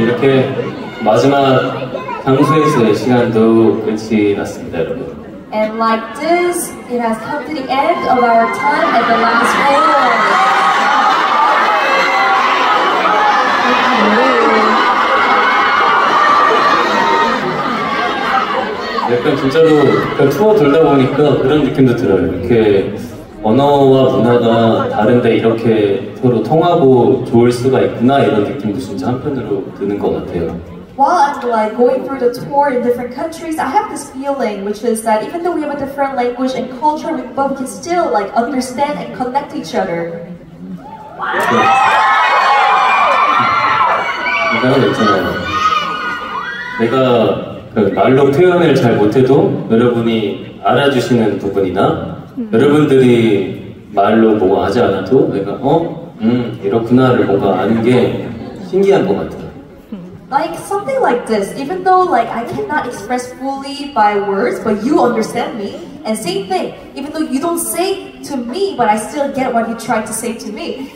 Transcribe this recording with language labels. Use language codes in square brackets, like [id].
[ko] 이렇게 마지막 향수에서의 시간도 끝이 났습니다, 여러분. [en] And like this, it has come to the end of our time at the last round. Okay. [ko] 약간 진짜로 그 투어 돌다 보니까 그런 느낌도 들어요. 이렇게 언어와 문화가 다른데 이렇게 서로 통하고 좋을 수가 있구나 이런 느낌도 진짜 한편으로 드는 것 같아요. [en] While I'm like going through the tour in different countries, I have this feeling, which is that even though we have a different language and culture, we both can still like understand and connect each other. [ko] 대단한 거잖아요. 내가 그 말로 표현을 잘 못해도 여러분이 알아주시는 부분이나 여러분들이 말로 뭐 하지 않아도 내가 어? 이렇구나를 뭔가 아는 게 신기한 것 같아요. [en] Like something like this, even though like I cannot express fully by words, but you understand me. And same thing, even though you don't say to me, but I still get what you try to say to me.